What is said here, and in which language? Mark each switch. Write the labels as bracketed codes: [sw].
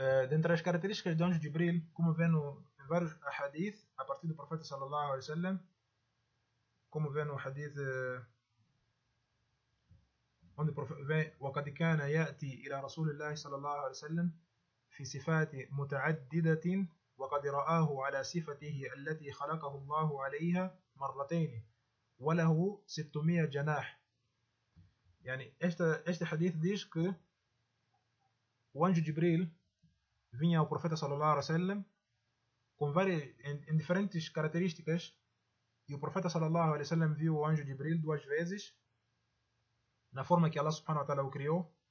[pt] Dentre as características do anjo Jibril, como vê no, em vários hadith, a partir do profeta sallallahu alaihi wasallam, como vê no hadith... [ar] عند وقد كان يأتي إلى رسول الله صلى الله عليه وسلم في صفات متعددة وقد رآه على صفته التي خلقه الله عليها مرتين وله 600 جناح. يعني [pt] este hadith diz que o anjo Jibril vinha ao profeta صلى الله عليه وسلم com várias diferentes características, e o profeta صلى الله عليه وسلم viu o anjo Jibril duas vezes na forma que Allah subhanahu wa ta'ala o criou.